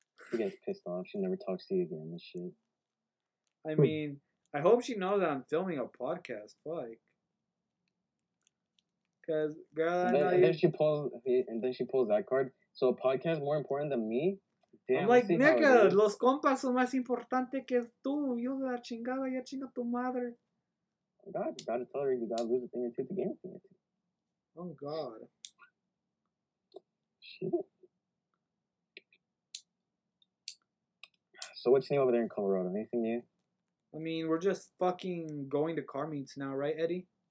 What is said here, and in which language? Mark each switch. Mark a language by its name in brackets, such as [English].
[English] She gets pissed off. She never talks to you again and shit. I mean, I hope she knows that I'm filming a podcast. Like, because, girl, and then, she pulls that card. So a podcast is more important than me? Damn, I'm like, nigga, [Spanish] los compas son más importantes que tú. Yo de la chingada, ya chinga tu madre. [English] God, you gotta tell her you gotta lose a thing or two to gain a thing. Oh, God. So what's new over there in Colorado? Anything new? I mean, we're just fucking going to car meets now, right, Eddie?